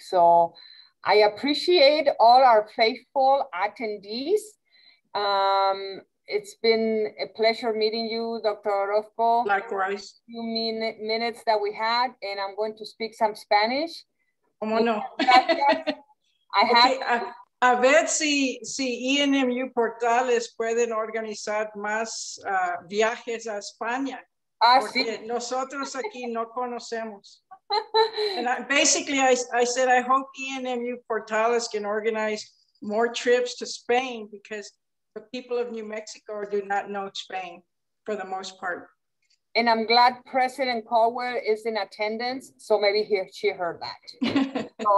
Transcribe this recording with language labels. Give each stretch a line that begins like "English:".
English: So I appreciate all our faithful attendees. It's been a pleasure meeting you, Dr. Orozco. Likewise. A few minutes that we had, and I'm going to speak some Spanish.
Spanish: Como no.
English: I have.
Spanish: Okay, a ver si ENMU Portales pueden organizar más viajes a España. Porque nosotros aquí no conocemos.
English: And I said, I hope ENMU Portales can organize more trips to Spain, because the people of New Mexico do not know Spain for the most part. And I'm glad President Caldwell is in attendance, so maybe she heard that.